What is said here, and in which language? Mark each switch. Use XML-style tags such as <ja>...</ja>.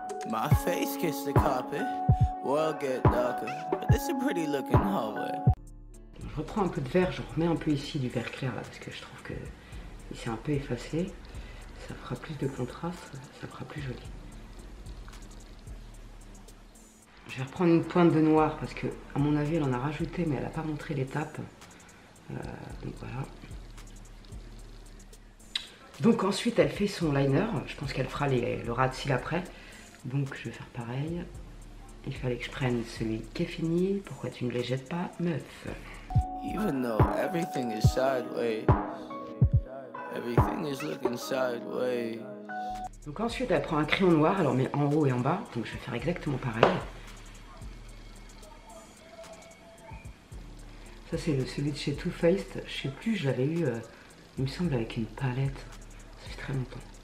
<en>My face kiss the carpet, world get darker, but this is pretty looking hallway.</en> <fr>Je reprends un peu de vert, je remets un peu ici du vert clair là, parce que je trouve que il s'est un peu effacé. Ça fera plus de contraste, ça fera plus joli. Je vais reprendre une pointe de noir parce que à mon avis elle en a rajouté mais elle n'a pas montré l'étape. Donc voilà. Donc ensuite elle fait son liner. Je pense qu'elle fera le ras de cils après. Donc je vais faire pareil. Il fallait que je prenne celui qui est fini. Pourquoi tu ne les jettes pas, meuf?</fr> <en>Even though everything is sideways. Everything is looking sideways.</en> <fr>Donc ensuite elle prend un crayon noir, elle en met en haut et en bas. Donc je vais faire exactement pareil. Ça c'est celui de chez Too Faced, je sais plus, je l'avais eu, il me semble, avec une palette, ça fait très longtemps.</fr>